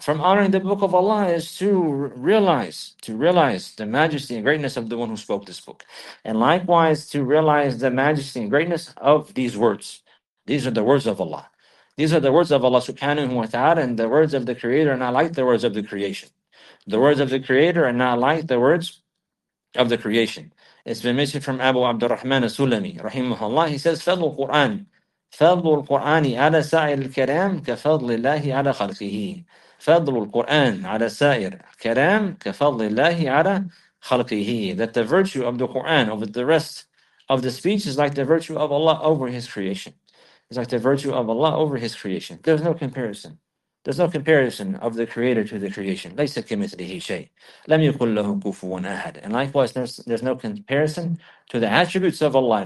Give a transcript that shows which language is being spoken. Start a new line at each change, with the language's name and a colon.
English: From honoring the book of Allah is to realize the majesty and greatness of the one who spoke this book, and likewise, to realize the majesty and greatness of these words. These are the words of Allah. These are the words of Allah subhanahu wa ta'ala, and the words of the creator are not like the words of the creation. The words of the creator are not like the words of the creation. It's been mentioned from Abu Abdurrahman al-Sulami, rahimahullah. He says,
Arabic: فضل القرآن على سائر الكلام كفضل الله على خلقه، فضل القرآن على سائر الكلام كفضل الله على خلقه.
English: That the virtue of the Quran over the rest of the speech is like the virtue of Allah over His creation. It's like the virtue of Allah over His creation. There's no comparison. There's no comparison of the Creator to the creation.
Arabic: لَيْسَ كَمِثْلِهِ شَيْءٍ لَمْ يَكُنْ لَهُ كُفُوًا أَحَدٌ.
English: And likewise, there's no comparison to the attributes of Allah.